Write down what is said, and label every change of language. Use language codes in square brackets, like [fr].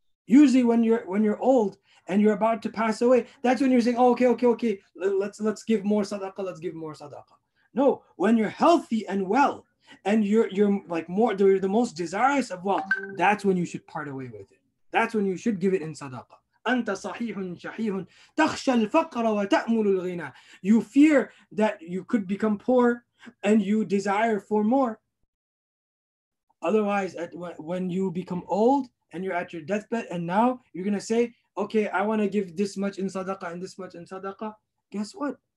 [en] Usually when you're old and you're about to pass away, that's when you're saying, oh, okay, let's give more sadaqah, let's give more sadaqah. No, when you're healthy and well, and you're like more, you're the most desirous of wealth, that's when you should part away with it. That's when you should give it in sadaqah. [ar] أنت صحيح شحيح تخشى الفقر وتأمل الغنى. [en] You fear that you could become poor and you desire for more. Otherwise, when you become old and you're at your deathbed and now you're going to say, okay, I want to give this much in sadaqah and this much in sadaqah. Guess what?